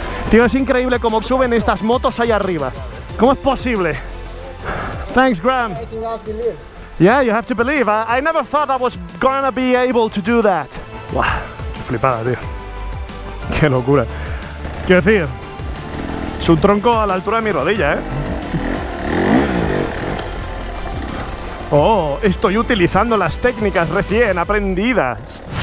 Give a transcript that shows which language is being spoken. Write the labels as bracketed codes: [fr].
[es] Tío, es increíble cómo suben estas motos ahí arriba. ¿Cómo es posible? Thanks, Graham. [en] Yeah, you have to believe. I never thought I was gonna be able to do that. [es] Wow, qué flipada, tío. Qué locura. Quiero decir, es un tronco a la altura de mi rodilla, ¿eh? Oh, estoy utilizando las técnicas recién aprendidas.